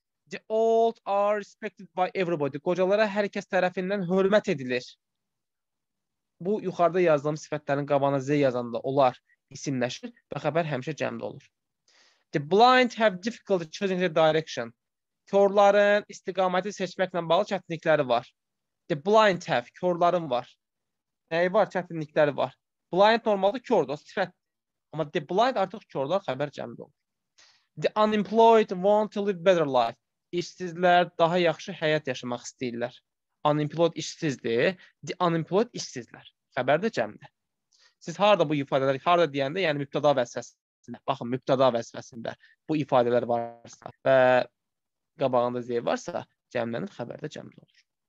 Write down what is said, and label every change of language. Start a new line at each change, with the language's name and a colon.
English: The old are respected by everybody.
Azerbaijani: Qocalara hər kəs tərəfindən hörmət edilir. Bu yuxarıda yazdığım sifətlərin qabağına Z yazanda onlar isimləşir və xəbər həmişə cəmdə olur.
English: The blind have difficulty choosing their direction.
Azerbaijani: Körlərin istiqaməti seçməklə bağlı çətinlikləri var. The blind have, körlərin var. Nəyi var? Çətinlikləri var. Blind normalda kördür, o sifət. Amma the blind artıq körlər xəbər cəmdə olur.
English: The unemployed want to live better life.
Azerbaijani: İşsizlər daha yaxşı həyat yaşamaq istəyirlər. Unemployed işsizdir. The unemployed işsizlər. Xəbər də cəmdə. Siz harada bu ifadələr, harada deyəndə, yəni mübtəda vəzifəsi. Baxın, mübtəda vəzifəsində bu ifadələr varsa və qabağında zeyr varsa, cəmlənir, xəbərdə cəmlə olur.